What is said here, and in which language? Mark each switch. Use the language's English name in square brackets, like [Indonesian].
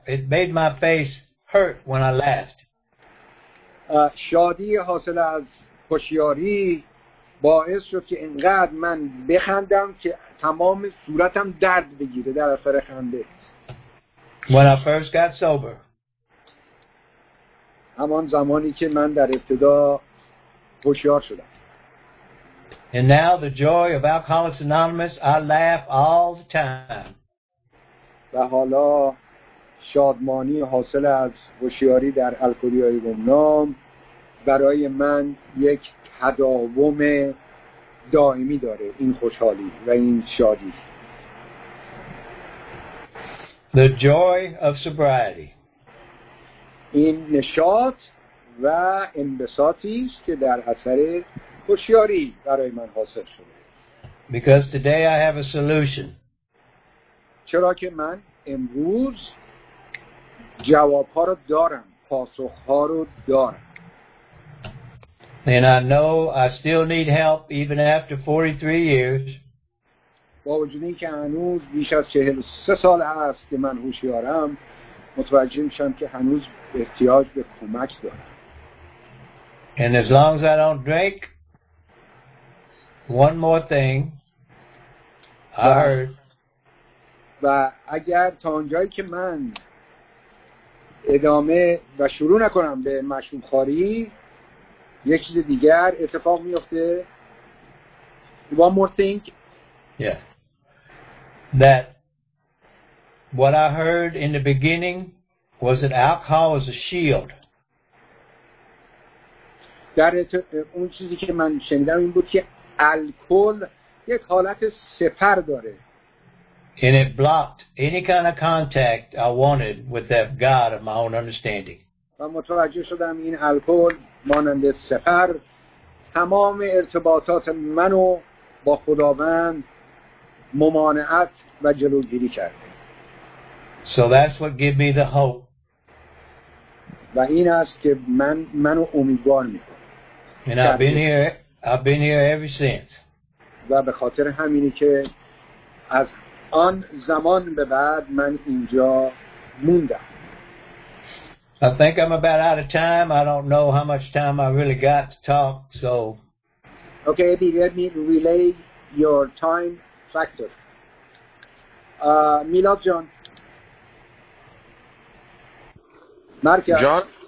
[English] It made my face hurt when I laughed. [Persian] شادی حاصل از هوشیاری باعث شد که انقدر من بخندم که تمام صورتم درد بگیره در اثر خنده. [English] When I first got sober. [Persian] همان زمانی که من در ابتدا هوشیار شدم. [English] And now the joy of Alcoholics Anonymous, I laugh all the time. [Persian] و حالا شادمانی حاصل از هوشیاری در الکلی‌های گمنام برای من یک تداوم دائمی داره، این خوشحالی و این شادی. [English] The joy of sobriety. [Persian] این نشاط و انبساطی است که در اثر هوشیاری برای من حاصل شده. [English] Because today I have a solution. [Persian] چرا که من امروز جواب ها رو دارم، پاسخ ها رو دارم. [English] And I know I still need help even after 43 years. [Persian] با وجود اینکه هنوز بیش از 43 سال است که من هوشیارم، متوجه میشم که هنوز احتیاج به کمک دارم. [English] And as long as I don't drink one more thing, I heard. [Persian] و اگر تا اونجایی که من ادامه و شروع نکنم به مشروب خوری، یک چیز دیگر اتفاق میفته. [English] One more thing. Yeah. That what I heard in the beginning was that alcohol is a shield. [Persian] در اون چیزی که من شنیدم این بود که الکل یک حالت سپر داره. [English] And it blocked any kind of contact I wanted with that God of my own understanding. [Persian] و متوجه شدم این الکل مانند سپر تمام ارتباطات منو با خداوند ممانعت و جلوگیری کرد. [English] So that's what gave me the hope. [Persian] و این است که منو امیدوار می‌کنه. [English] And I've been here ever since. [Persian] و به خاطر همینی که از آن زمان به بعد من اینجا موندم. [English] I think I'm about out of time. I don't know how much time I really got to talk, so. Okay, Eddie, let me relay your time factor. Milad John. Mark. John.